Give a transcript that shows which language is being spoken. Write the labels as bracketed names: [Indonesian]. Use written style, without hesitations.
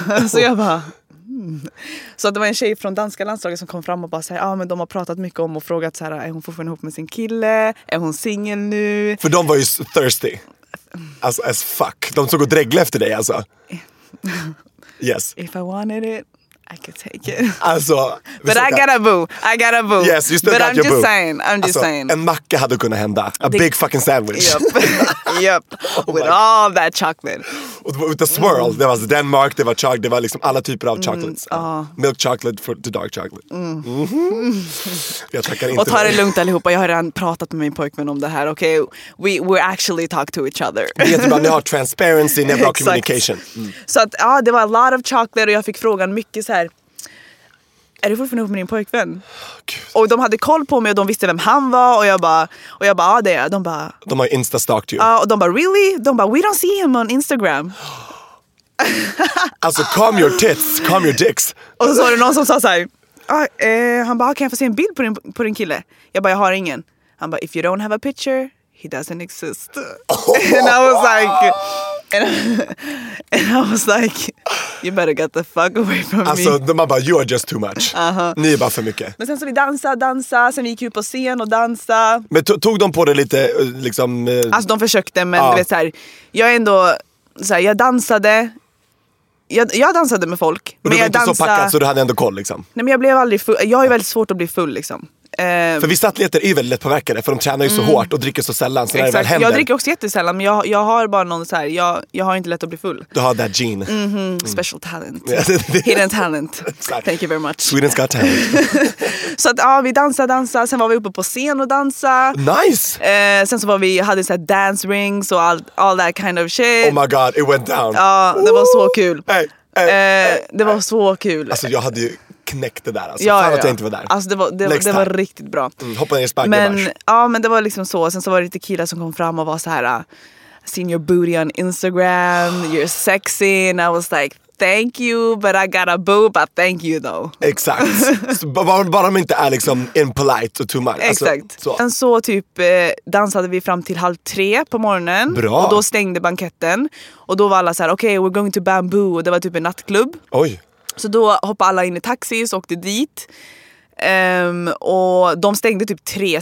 [Swedish] Så jag bara... Så att det var en tjej från danska landslaget som kom fram och bara sa, ah, men de har pratat mycket om och frågat så här, är hon fortfarande ihop med sin kille? Är hon singel nu? För de var ju thirsty. Alltså, [English] as fuck. [Swedish] De såg och dräggla efter dig alltså. [English] Yes. If I wanted it, I could take it. [Swedish] Alltså, [English] but I got a boo. I got a boo. Yes, you still but got I'm just boo. Saying, I'm just [Swedish] alltså, [English] saying. [Swedish] En macka hade kunnat hända. [English] A big fucking sandwich. Yep. Oh, with all that chocolate. [Swedish] Och det var [English] with the swirl. [Swedish] Det var Denmark, det var chocolate, det var liksom alla typer av chocolates. [English] Milk chocolate for the dark chocolate. Mm-hmm. [Swedish] Jag tackar inte. Och ta det lugnt allihopa. Jag har redan pratat med min pojkvän om det här. [English] Okej. Okay? We actually talk to each other. [Swedish] Ni har transparency, ni har bra communication. Så att ja, det var [English] a lot of chocolate [Swedish] och jag fick frågan mycket så här, är du fortfarande ihop med din pojkvän? Gud. Och de hade koll på mig och de visste vem han var. Och jag bara, ja det är. De har instastalked you. Och de bara, really? De bara, [English] we don't see him on Instagram. Alltså, calm your tits, calm your dicks. [Swedish] Och så var det någon som sa såhär, han bara, kan jag få se en bild på din kille? Jag bara, jag har ingen. Han bara, [English] if you don't have a picture, he doesn't exist. And I was like... And I was like, you better get the fuck away from [Swedish] alltså, [English] me. [Swedish] Alltså, man bara, [English] you are just too much. Uh-huh. [Swedish] Ni är bara för mycket. Men sen så vi dansade, sen vi gick ut på scen och dansade. Men tog de på det lite, liksom... Alltså, de försökte, men du vet såhär, jag ändå, såhär, jag dansade. Jag dansade med folk. Och men du var jag inte dansade... så packad, så du hade ändå koll, liksom? Nej, men jag blev aldrig full. Jag är väldigt svårt att bli full, liksom. För vissa atleter är ju väldigt lättpåverkade. För de tränar ju så hårt och dricker så sällan, så exakt. Väl jag dricker också jättesällan. Men jag har bara någon så här, jag har inte lätt att bli full. Du har [English] that gene. Mm-hmm. Special talent. Hidden talent. Thank you very much. Sweden's got talent. [Swedish] Så att ja, vi dansade. Sen var vi uppe på scen och dansade. [English] Nice. [Swedish] Sen så var vi, hade så här dance rings och [English] all that kind of shit. Oh my god, it went down. [Swedish] Ja, det var så kul. Hey. Det var så kul. Alltså jag hade ju knäckte det där, alltså. Ja, fan att jag inte var där. Alltså det var riktigt bra. Mm, hoppa ner i sparken. Men ja, men det var liksom så. Sen så var det lite killar som kom fram och var så här, [English] seen your booty on Instagram, you're sexy, and I was like, thank you, but I got a boo, but thank you though. [Swedish] Exakt. Bara om inte är liksom impolite och [English] too much. [Swedish] Exakt. Alltså, så. Sen så typ dansade vi fram till 2:30 på morgonen. Bra. Och då stängde banketten. Och då var alla så här, [English] okay, we're going to Bamboo. [Swedish] Och det var typ en nattklubb. Oj. Så då hoppade alla in i taxis och åkte dit. Och de stängde typ 3.